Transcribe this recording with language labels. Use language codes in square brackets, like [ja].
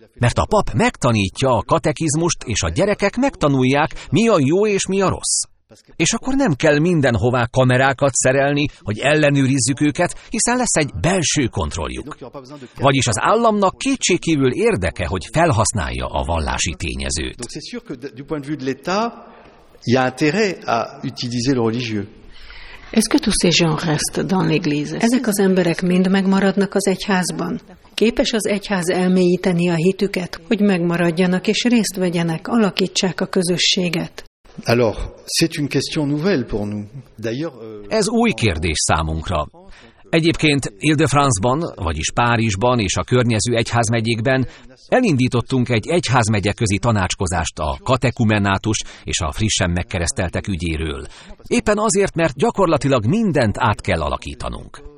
[hu] Mert a pap megtanítja a katekizmust, és a gyerekek megtanulják, mi a jó és mi a rossz. És akkor nem kell mindenhová kamerákat szerelni, hogy ellenőrizzük őket, hiszen lesz egy belső kontrolljuk. Vagyis az államnak kétségkívül érdeke, hogy felhasználja a vallási tényezőt. [fr] Il y a intérêt à utiliser le religieux. Est-ce que tous ces gens restent dans l'église? [hu] Ezek az emberek mind megmaradnak az egyházban. Képes az egyház elmélyíteni a hitüket, hogy megmaradjanak és részt vegyenek, alakítsák a közösséget. [fr] Alors, c'est une question nouvelle pour nous. D'ailleurs, [hu] ez új kérdés számunkra. Egyébként Île-de-France-ban, vagyis Párizsban és a környező egyházmegyékben elindítottunk egy egyházmegyeközi tanácskozást a katekumenátus és a frissen megkereszteltek ügyéről. Éppen azért, mert gyakorlatilag mindent át kell alakítanunk.